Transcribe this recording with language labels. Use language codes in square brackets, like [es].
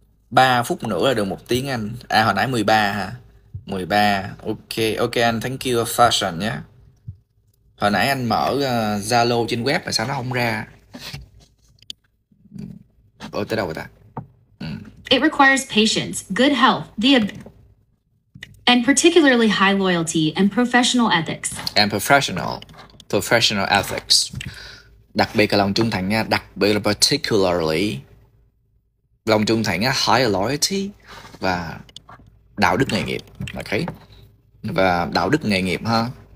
[vi] Ba phút nữa là được một tiếng anh. À hồi nãy 13 ha. 13. Ok anh, [en] thank you fashion [vi] nhé. Hồi nãy anh mở Zalo trên web mà sao nó không ra. Ở tới đâu vậy ta? [en] It requires patience, good health, and particularly high loyalty and professional ethics. And professional ethics. [vi] Đặc biệt là lòng trung thành nha, đặc biệt là particularly lòng trung thành á, [en] high loyalty [vi] và đạo đức nghề nghiệp. Ok. Và đạo đức nghề nghiệp ha.